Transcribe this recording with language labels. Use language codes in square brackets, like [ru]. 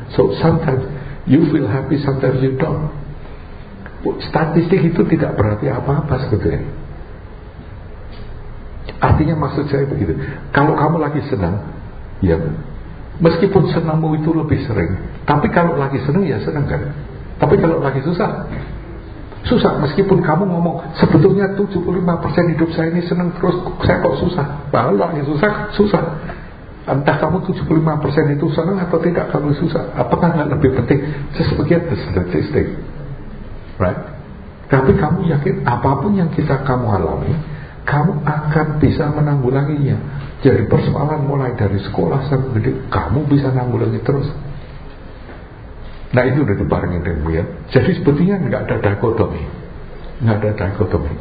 [en] So sometimes you feel happy, sometimes you don't. [id] Statistik itu tidak berarti apa-apa sebetulnya. Artinya maksud saya begitu. Kalau kamu lagi senang, ya meskipun senangmu itu lebih sering, tapi kalau lagi senang ya senang kan. Tapi kalau lagi susah, susah, meskipun kamu ngomong sebetulnya 75% hidup saya ini senang terus, saya kok susah. Bahkan yang susah, susah. Entah kamu 75% itu senang atau tidak, kamu susah. Apakah gak lebih penting? [en] Just forget the statistic, right? [id] Tapi kamu yakin apapun yang kita kamu alami, kamu akan bisa menanggulanginya. Jadi persoalan mulai dari sekolah sampai gede, kamu bisa menanggulangi terus. Nah itu udah dibarengin dengan ya. Jadi sepertinya gak ada dikotomi. Gak ada dikotomi.